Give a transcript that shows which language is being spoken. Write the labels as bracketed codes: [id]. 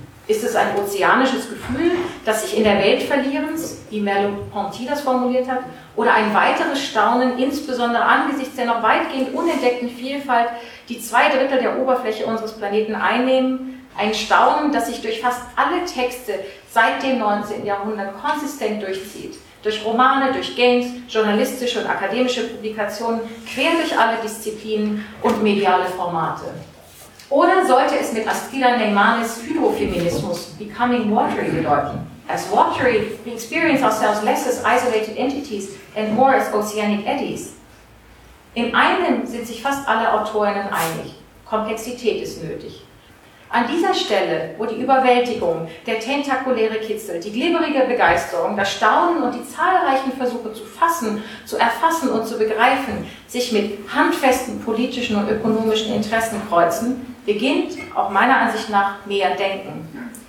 [de] Ist es ein ozeanisches Gefühl, das sich in der Welt verlierens, wie Merleau-Ponty das formuliert hat, oder ein weiteres Staunen, insbesondere angesichts der noch weitgehend unentdeckten Vielfalt, die 2/3 der Oberfläche unseres Planeten einnehmen, ein Staunen, das sich durch fast alle Texte seit dem 19. Jahrhundert konsistent durchzieht, durch Romane, durch Games, journalistische und akademische Publikationen, quer durch alle Disziplinen und mediale Formate. Oder sollte es mit Astrida Neymanes Hydrofeminismus Becoming Watery bedeuten? [en] As watery, we experience ourselves less as isolated entities and more as oceanic eddies. [de] Im einen sind sich fast alle Autorinnen einig, Komplexität ist nötig. An dieser Stelle, wo die Überwältigung, der tentakuläre Kitzel, die glibberige Begeisterung, das Staunen und die zahlreichen Versuche zu fassen, zu erfassen und zu begreifen, sich mit handfesten politischen und ökonomischen Interessen kreuzen, beginnt, auch meiner Ansicht nach, mehr Denken.